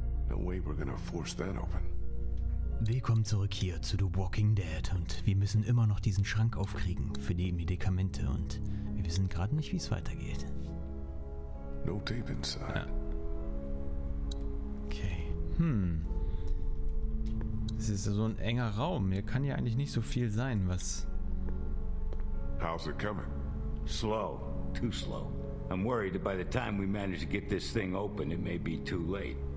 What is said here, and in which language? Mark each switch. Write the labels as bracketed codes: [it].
[en] No way we're gonna force that open. [de] Willkommen zurück hier zu The Walking Dead und wir müssen immer noch diesen Schrank aufkriegen für die Medikamente und wir wissen gerade nicht, wie es weitergeht. [en] No tape inside. [de] Ja. Okay. Es ist so ein enger Raum. Hier kann ja eigentlich nicht so viel sein, was... [en] How's it coming? Slow. Too slow. I'm worried that by the time we manage to get this thing open, it may be too late.